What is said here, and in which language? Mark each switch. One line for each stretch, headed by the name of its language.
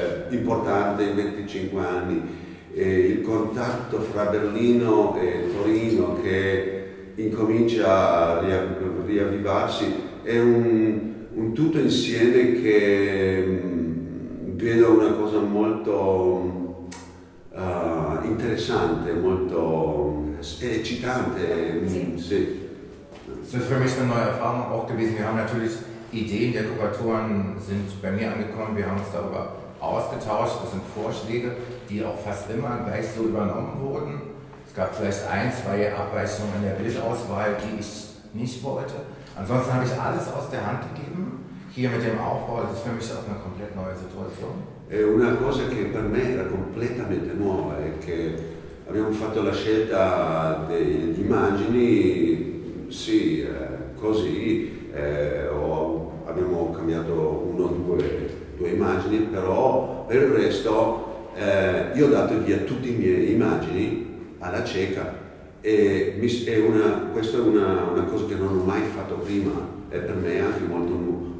Italian: importante, i 25 anni, il contatto fra Berlino e Torino che incomincia a riavvivarsi, è un tutto insieme che vedo una cosa molto interessante, molto eccitante, sì.
German: Das ist für mich eine neue Erfahrung auch gewesen. Wir haben natürlich Ideen der Kuratoren sind bei mir angekommen. Wir haben uns darüber ausgetauscht. Das sind Vorschläge, die auch fast immer gleich so übernommen wurden. Es gab vielleicht ein, zwei Abweichungen in der Bildauswahl, die ich nicht wollte. Ansonsten habe ich alles aus der Hand gegeben. Hier mit dem Aufbau, das ist für mich auch eine komplett neue Situation.
Italian: È una cosa che per me era completamente nuova, è che abbiamo fatto la scelta delle immagini, sì, così, abbiamo cambiato una o due immagini, però per il resto io ho dato via tutte le mie immagini alla cieca e questa è una cosa che non ho mai fatto prima e per me è anche molto nuova.